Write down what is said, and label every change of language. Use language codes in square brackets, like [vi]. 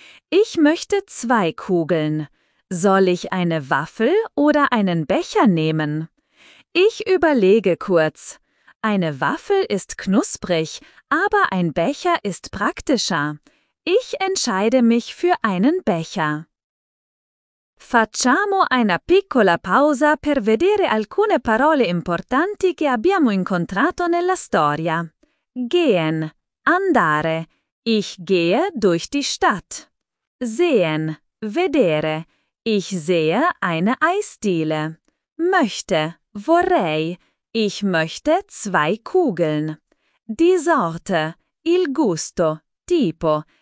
[de] Ich möchte 2 Kugeln. Soll ich eine Waffel oder einen Becher nehmen? Ich überlege kurz. Eine Waffel ist knusprig, aber ein Becher ist praktischer. Ich entscheide mich für einen Becher. [it] Facciamo una piccola pausa per vedere alcune parole importanti che abbiamo incontrato nella storia. [de] Gehen, [it] andare. [de] Ich gehe durch die Stadt. Sehen, [it] vedere. [de] Ich sehe eine Eisdiele. Möchte, [it] vorrei. [de] Ich möchte 2 Kugeln. Die Sorte, [it] il gusto, tipo.